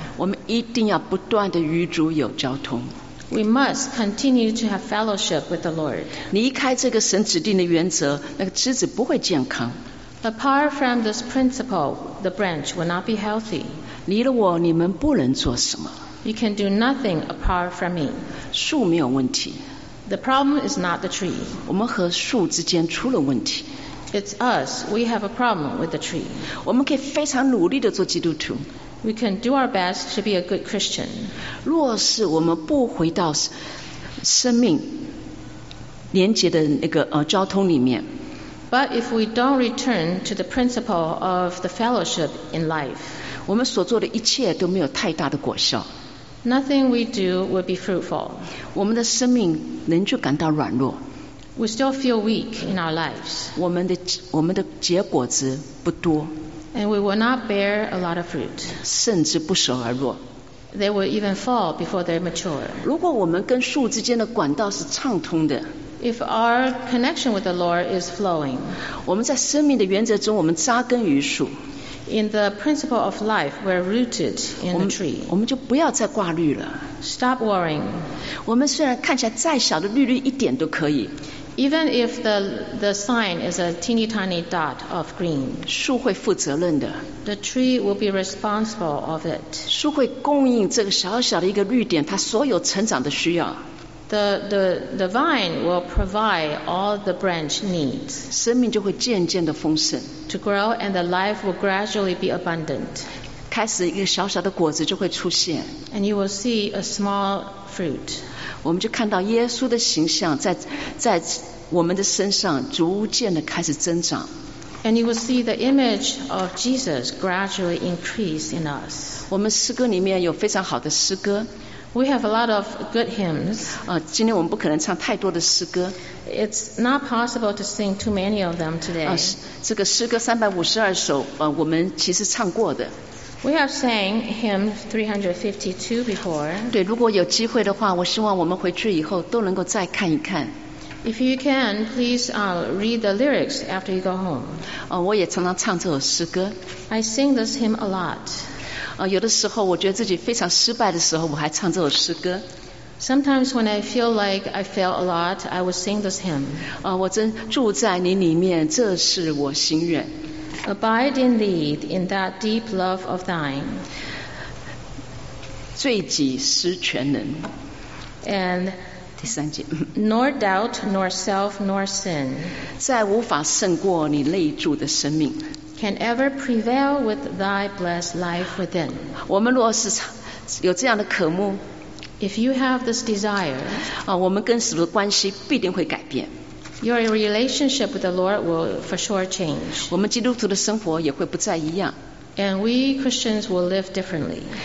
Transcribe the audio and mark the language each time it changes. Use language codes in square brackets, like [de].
[zh] 我们一定要不断的与主有交通。 [en] We must continue to have fellowship with the Lord. [zh] 离开这个神指定的原则，那个枝子不会健康。 [en] Apart from this principle, the branch will not be healthy. [zh] 离了我，你们不能做什么。 [en] You can do nothing apart from me. [zh] 树没有问题。 [en] The problem is not the tree. [zh] 我们和树之间出了问题。 [en] It's us. We have a problem with the tree. [zh] 我们可以非常努力地做基督徒。 [en] We can do our best to be a good Christian. [zh] 若是我们不回到生命连结的那个交通里面。 [en] But if we don't return to the principle of the fellowship in life, [zh] 我们所做的一切都没有太大的果效。 [en] Nothing we do will be fruitful. [zh] 我们的生命仍旧感到软弱。 [en] We still feel weak in our lives. [zh] 我们的结果子不多。 [en] And we will not bear a lot of fruit. [zh] 甚至不熟而弱。 [en] They will even fall before they mature. [zh] 如果我们跟树之间的管道是畅通的。 [en] If our connection with the Lord is flowing. [zh] 我们在生命的原则中，我们扎根于树。 [en] In the principle of life, we're rooted in the tree. [zh] 我们就不要再挂虑了。 [en] Stop worrying. [zh] 我们虽然看起来再小的虑一点都可以。 [en] Even if the sign is a teeny tiny dot of green, [zh] 树会负责任的。 [en] The tree will be responsible of it. [zh] 树会供应这个小小的一个绿点，它所有成长的需要。 [en] The vine will provide all the branch needs. [zh] 生命就会渐渐的丰盛。 [en] To grow and the life will gradually be abundant. [zh] 开始一个小小的果子就会出现。 [en] And you will see a small fruit. [zh] 我们就看到耶稣的形象在我们的身上逐渐的开始增长。 [en] And you will see the image of Jesus gradually increase in us. [zh] 我们诗歌里面有非常好的诗歌。 [en] We have a lot of good hymns. [zh] 今天我们不可能唱太多的诗歌。 [en] It's not possible to sing too many of them today. [zh] 这个诗歌352首，我们其实唱过的。 [en] We have sang hymn 352 before. [zh] 对，如果有机会的话，我希望我们回去以后都能够再看一看。 [en] If you can, please read the lyrics after you go home. [zh] 我也常常唱这首诗歌。 [en] I sing this hymn a lot. [zh] 有的时候我觉得自己非常失败的时候，我还唱这首诗歌。 [en] Sometimes when I feel like I fail a lot, I will sing this hymn. [zh] 我真住在你里面，这是我心愿。 [en] Abide in thee, in that deep love of thine. [zh] 罪己失全能。 [en] And [zh] 第三节。 [en] Nor doubt, nor self, nor sin. [zh] 再无法胜过你内住的生命。 [en] Can ever prevail with thy blessed life within. [zh] 我们若是有这样的渴慕。 [en] If you have this desire. [zh] 我们跟神的关系必定会改变。 [en] Your relationship with the Lord will for sure change. [zh] 我们基督徒的生活也会不再一样。 [en] And we Christians will live differently.